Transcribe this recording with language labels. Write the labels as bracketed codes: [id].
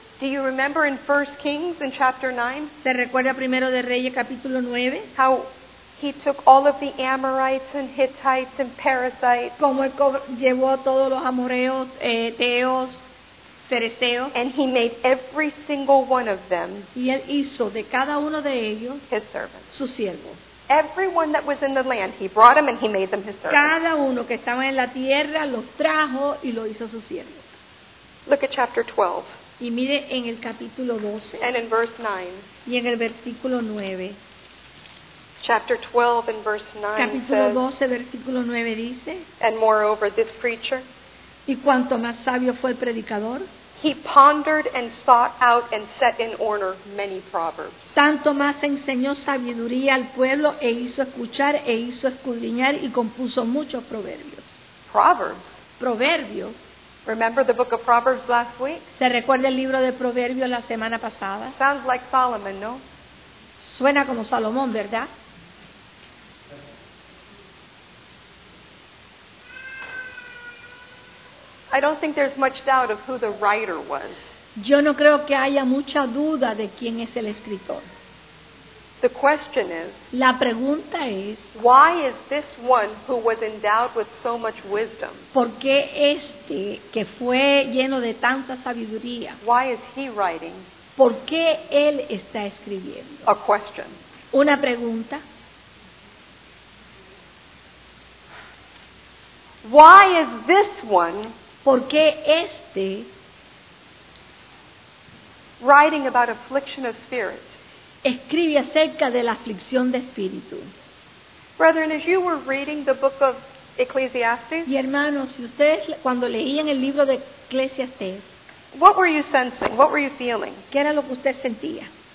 [en] Do you remember in 1 Kings in chapter 9? [es] ¿Se recuerda primero de Reyes capítulo 9? [en] How he took all of the Amorites and Hittites and Perizzites. [es] Como llevó a todos los amoreos, teos. fariseos, [en] and he made every single one of them, [es] y él hizo de cada uno de ellos, [en] his servants, [es] sus siervos. [en] Everyone that was in the land, he brought them and he made them his servants. [es] Cada uno que estaba en la tierra los trajo y lo hizo sus siervos. [en] Look at chapter 12. [es] Y mire en el capítulo 12. [en] And in verse 9. [es] Y en el versículo 9. [en] Chapter 12 and verse 9 [es] capítulo [en] says, [es] 12, versículo 9 dice, [en] and moreover, this preacher, [es] y cuanto más sabio fue el predicador, [en] he pondered and sought out and set in order many proverbs. [es] Tanto más enseñó sabiduría al pueblo e hizo escuchar e hizo escudriñar y compuso muchos proverbios. [en] Proverbs. [es] Proverbios. [en] Remember the book of Proverbs last week? [es] ¿Se recuerda el libro de Proverbios la semana pasada? [en] Sounds like Solomon, no? [es] Suena como Salomón, ¿verdad? [en] I don't think there's much doubt of who the writer was. [es] Yo no creo que haya mucha duda de quién es el escritor. [en] The question is, [es] la pregunta es, [en] why is this one who was endowed with so much wisdom? [es] ¿Por qué este que fue lleno de tanta sabiduría? [en] Why is he writing? [es] ¿Por qué él está escribiendo? [en] A question. [es] Una pregunta. [en] Why is this one? [es] ¿Por qué este [en] writing about affliction of spirit? [es] Escribe acerca de la aflicción de espíritu. [en] Brethren, as you were reading the book of Ecclesiastes, [es] y hermanos, si ustedes cuando leían el libro de Ecclesiastes, [en] what were you sensing? What were you feeling? [es] ¿Qué era lo que usted sentía?